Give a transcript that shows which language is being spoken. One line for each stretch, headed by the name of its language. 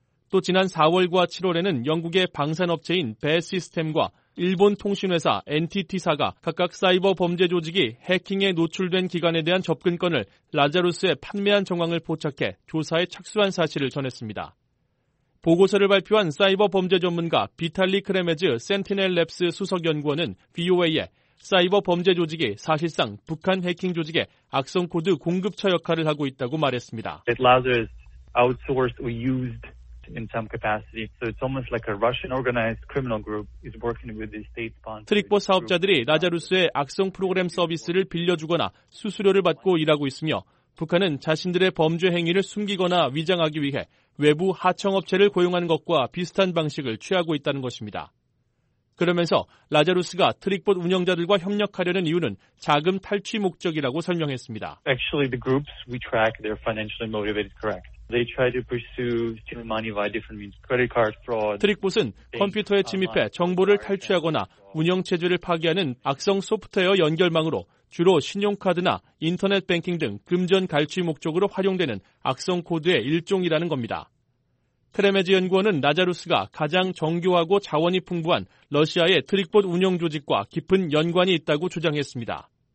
Korean: 또 지난 4월과 7월에는 영국의 방산업체인 배시스템과 일본 통신회사 NTT사가 각각 사이버 범죄 조직이 해킹에 노출된 기관에 대한 접근권을 라자루스에 판매한 정황을 포착해 조사에 착수한 사실을 전했습니다. 보고서를 발표한 사이버 범죄 전문가 비탈리 크레메즈 센티넬 랩스 수석연구원은 VOA에 사이버 범죄 조직이 사실상 북한 해킹 조직의 악성 코드 공급처 역할을 하고 있다고 말했습니다.
English: It lasers outsourced or used in some capacity. So it's almost like a Russian organized criminal group is working with the state sponsored.
Korean: 트릭봇 사업자들이 라자루스의 악성 프로그램 서비스를 빌려주거나 수수료를 받고 일하고 있으며 북한은 자신들의 범죄 행위를 숨기거나 위장하기 위해 외부 하청업체를 고용하는 것과 비슷한 방식을 취하고 있다는 것입니다. 그러면서 라자루스가 트릭봇 운영자들과 협력하려는 이유는 자금 탈취 목적이라고 설명했습니다.
English: Actually, the groups we track, they're financially motivated, correct. They try to pursue steal money via different means, credit card fraud.
Korean: 트릭봇은 컴퓨터에 침입해 정보를 탈취하거나 운영체제를 파괴하는 악성 소프트웨어 연결망으로 주로 신용카드나 인터넷 뱅킹 등 금전 갈취 목적으로 활용되는 악성 코드의 일종이라는 겁니다. 트레메즈 연구원은 나자루스가 가장 정교하고 자원이 풍부한 러시아의 트릭봇 운영 조직과 깊은 연관이 있다고 주장했습니다.